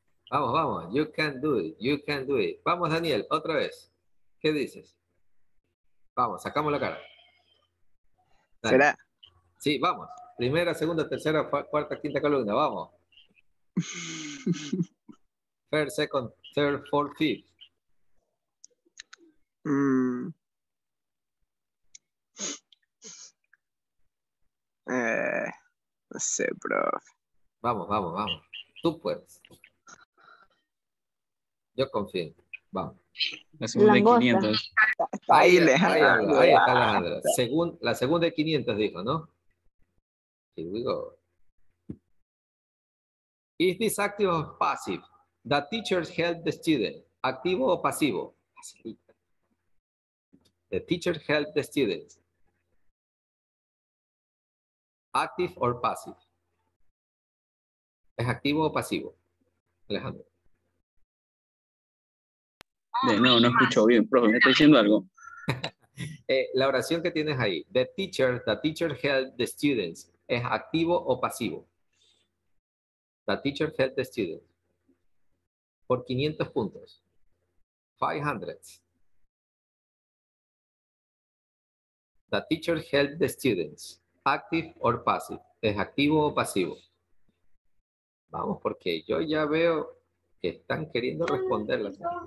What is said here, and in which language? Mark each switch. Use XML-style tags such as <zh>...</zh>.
<es>Vamos, vamos.</es> <en>You can do it. You can do it.</en> <es>Vamos, Daniel, otra vez. ¿Qué dices? Vamos, sacamos la cara. Dale. ¿Será? Sí, vamos. Primera, segunda, tercera, cuarta, quinta columna. Vamos.</es> <en>First, second, third, fourth, fifth.</en> <es>No sé, prof. Vamos, vamos, vamos. Tú puedes. Yo confío. Vamos. La segunda de 500. Ahí le jala. Ahí está Alejandra. La segunda de 500 dijo, ¿no?</es> <en>Here we go. Is this active or passive? The teacher helped the student.</en> <es>¿Activo o pasivo?</es> <en>The teacher helped the student. ¿Active or passive?</en> <es>¿Es activo o pasivo? Alejandro. No, no escucho bien, profe, me está diciendo algo. La oración que tienes ahí,</es> <en>the teacher helped the students,</en> <es>¿es activo o pasivo?</es> <en>The teacher helped the students.</en> <es>Por 500 puntos. 500.</es> <en>The teacher helped the students, ¿active or passive?</en> <es>¿Es activo o pasivo? Vamos, porque yo ya veo que están queriendo responderlas.</es>